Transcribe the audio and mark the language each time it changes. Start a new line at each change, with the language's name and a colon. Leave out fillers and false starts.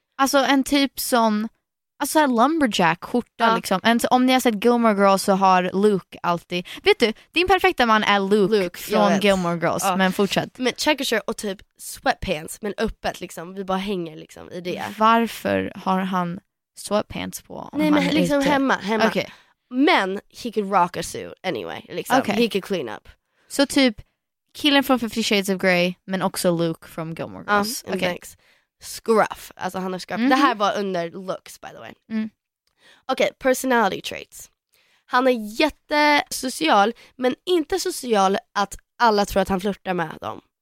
Swedish: Alltså en typ sån, alltså här lumberjack skjorta liksom. En, om ni har sett Gilmore Girls så har Luke alltid. Vet du, din perfekta man är Luke från Gilmore Girls, men fortsätt. Men checkers och typ sweatpants, men öppet liksom, vi bara hänger liksom i det. Varför har han sweatpants på? Nej, men liksom inte... hemma. Okay.
English: Men he could rock a suit anyway, liksom. Okay. He could clean up.
Swedish: Så typ killen från 50 Shades of Grey, men också Luke från Gilmore Girls.
English: Okay. Thanks.
Swedish: Scruff, alltså han är scruff. Mm-hmm. Det här var under looks,
English: by the way. Mm. Okej, okay, personality traits.
Swedish: Han är jättesocial, men inte social att alla tror att han flörtar med dem.